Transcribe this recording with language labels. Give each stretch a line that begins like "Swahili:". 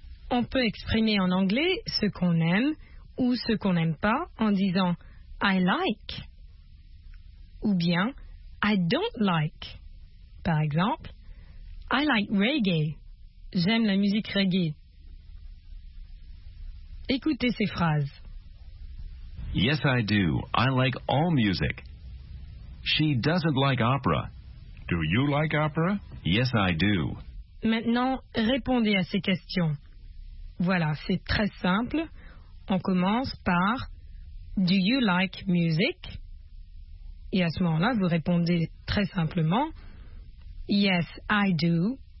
French: On peut exprimer en anglais ce qu'on aime ou ce qu'on n'aime pas en disant
English: I like
French: ou bien
English: I don't like.
French: Par exemple,
English: I like reggae.
French: J'aime la musique reggae. Écoutez ces phrases.
English: Yes, I do. I like all music. She doesn't like opera. Do you like opera? Yes, I do.
French: Maintenant, répondez à ces questions. Voilà, c'est très simple. On commence par
English: Do you like music?
French: Et à ce moment-là, vous répondez très simplement
English: Yes, I do.